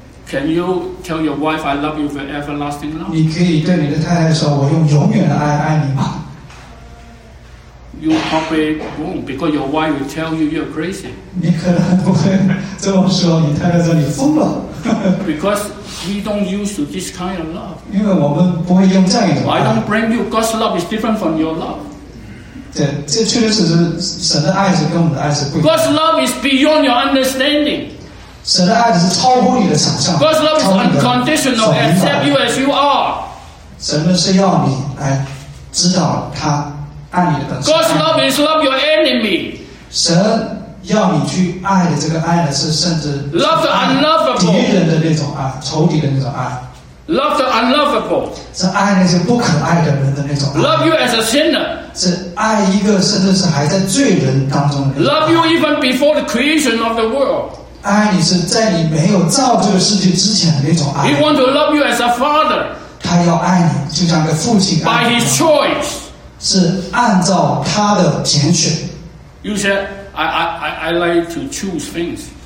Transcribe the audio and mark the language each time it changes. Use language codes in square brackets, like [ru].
[en] Can you tell your wife I love you with everlasting love? [zh] 你可以对你的太太说，我用永远的爱爱你吗 [en] ？You probably won't, because your wife will tell you you're crazy. [zh] 你可能不会这么说，你太太说你疯了。 [en] Because we don't use to this kind of love. [zh] 因为我们不会用这样的爱。 [en] I don't blame you. God's love is different from your love. [zh] 对，这确实是神的爱是跟我们的爱是不一样。 [en] God's love is beyond your understanding. [zh] 神的爱只是超乎你的想象 [en] God's love is unconditional accept you as you are [zh] 神的是要你来知道他爱你的本 [en] 质 God's love is love your enemy [zh] 神要你去爱的这个爱的是甚至 [en] love the unlovable [zh] 敌人的那种爱仇敌的那种爱 [en] love the unlovable [zh] 是爱那些不可爱的人的那种爱 [en] love you as a sinner [zh] 是爱一个甚至是还在罪人当中的 [en] love you even before the creation of the world [zh] 爱你是在你没有造这个世界之前的那种爱。 [en] He want to love you as a father. [zh] 他要爱你，就像个父亲爱你。 [en] By his choice. [zh] 是按照他的拣选。 [en] You said, I like to choose things.